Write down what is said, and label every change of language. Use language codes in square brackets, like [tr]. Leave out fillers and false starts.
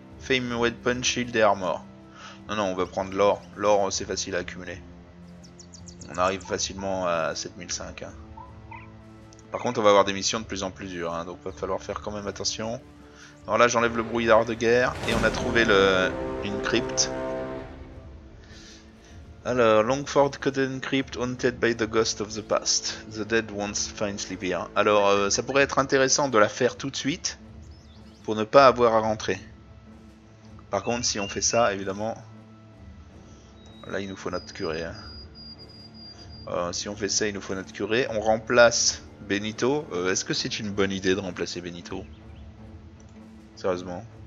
[fr] Fame Weapon, Shield et Armor. Non, non, on va prendre l'or. L'or, c'est facile à accumuler. On arrive facilement à 7500. Hein. Par contre, on va avoir des missions de plus en plus dures. Hein, donc, va falloir faire quand même attention. Alors là, j'enlève le brouillard de guerre. Et on a trouvé une crypte. [en] Alors, Longford Cotton Crypt, haunted by the ghost of the past. The dead once find sleep here. [fr] Alors, ça pourrait être intéressant de la faire tout de suite. Pour ne pas avoir à rentrer. Par contre, si on fait ça, évidemment. Là, il nous faut notre curé. Hein. Si on fait ça, il nous faut notre curé. On remplace Benito. Est-ce que c'est une bonne idée de remplacer Benito? Sérieusement.